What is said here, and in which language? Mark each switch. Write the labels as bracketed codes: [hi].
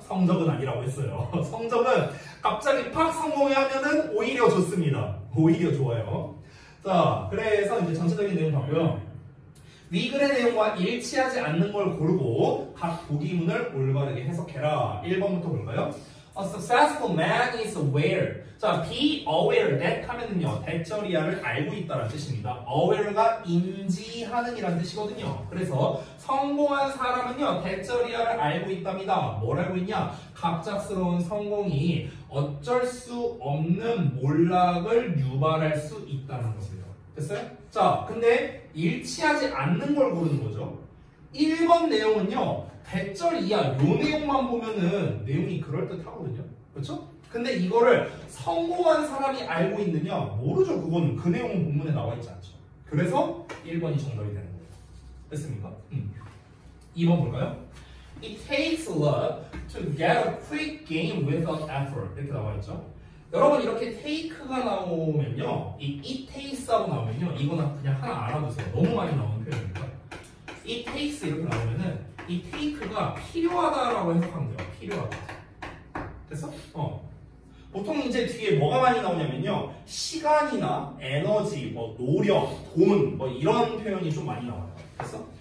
[ko] 성적은 아니라고 했어요. 성적은 갑자기 팍 성공하면은 오히려 좋습니다. 오히려 좋아요. 자, 그래서 이제 전체적인 내용 봤고요. 위 글의 내용과 일치하지 않는 걸 고르고 각 보기문을 올바르게 해석해라. 1번부터 볼까요? [en] A successful man is aware. 자, be aware that 하면은요. [ko] 대처리아를 알고 있다라는 뜻입니다. aware가 인지하는이라는 뜻이거든요. 그래서 성공한 사람은요. 대처리아를 알고 있답니다. 뭘 알고 있냐? 갑작스러운 성공이 어쩔 수 없는 몰락을 유발할 수 있다는 것이에요. 됐어요? 자, 근데 일치하지 않는 걸 고르는 거죠. 1번 내용은요. 대절 이하 요 내용만 보면은 내용이 그럴듯하거든요. 그렇죠? 근데 이거를 성공한 사람이 알고 있느냐? 모르죠. 그건 그 내용 본문에 나와 있지 않죠. 그래서 1번이 정답이 되는 거예요. 됐습니까? 2번 볼까요? [en] It takes luck to get a quick gain without effort. [ko] 이렇게 나와 있죠. 여러분 이렇게 take가 나오면요, 이 it takes라고 나오면요, 이거는 그냥 하나 알아두세요. 너무 많이 나오는 표현입니다. It takes 이렇게 나오면은 이 take가 필요하다라고 해석하면 돼요. 필요하다. 됐어? 어. 보통 이제 뒤에 뭐가 많이 나오냐면요, 시간이나 에너지, 뭐 노력, 돈, 뭐 이런 표현이 좀 많이 나와요. 됐어?